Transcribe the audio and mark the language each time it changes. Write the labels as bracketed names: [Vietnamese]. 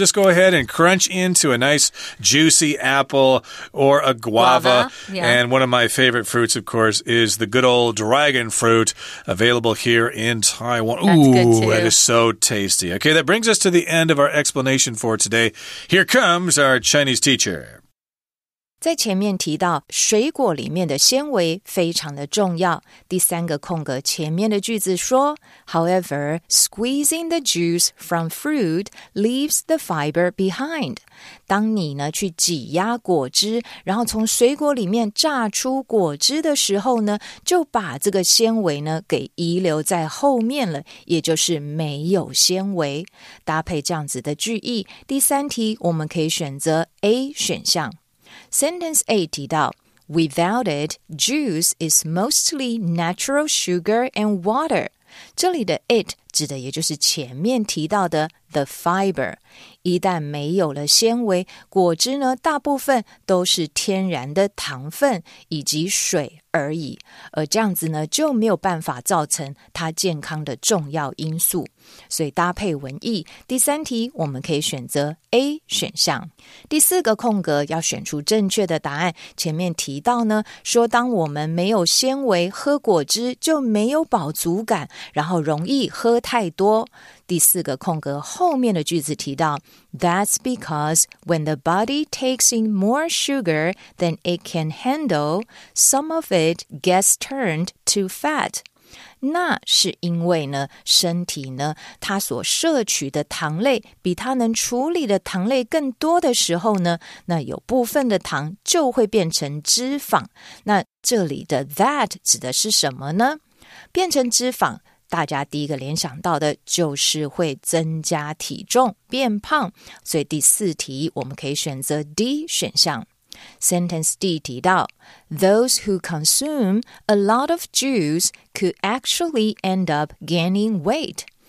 [English] Just go ahead and crunch into a nice juicy apple or a guava. And one of my favorite fruits, of course, is the good old dragon fruit available here in Taiwan. That's good too. That is so tasty. Okay, that brings us to the end of our explanation for today. Here comes our Chinese teacher. [Chinese] 在前面提到水果里面的纤维非常的重要。第三个空格前面的句子说 [English] However, squeezing the juice from fruit leaves the fiber behind. [Chinese] 当你呢去挤压果汁然后从水果里面榨出果汁的时候呢就把这个纤维呢给遗留在后面了也就是没有纤维。搭配这样子的句意第三题我们可以选择 A 选项。 [English] Sentence A [Chinese] 提到 [English] Without it, juice is mostly natural sugar and water. [Chinese] 这里的 it 指的也就是前面提到的 the fiber. 一旦没有了纤维，果汁呢，大部分都是天然的糖分以及水而已。而这样子呢，就没有办法造成它健康的重要因素。所以搭配文意，第三题我们可以选择 A 选项。第四个空格要选出正确的答案。前面提到呢，说当我们没有纤维，喝果汁就没有饱足感，然后容易喝太多。第四个空格后面的句子提到 [English] That's because when the body takes in more sugar than it can handle, some of it gets turned to fat. [Chinese] 那是因为呢，身体呢，它所摄取的糖类比它能处理的糖类更多的时候呢，那有部分的糖就会变成脂肪。那这里的 that 指的是什么呢？变成脂肪，大家第一个联想到的就是会增加体重，变胖。所以第四题，我们可以选择 D 选项。 [English] Sentence D [Chinese] 提到 [English] Those who consume a lot of juice could actually end up gaining weight.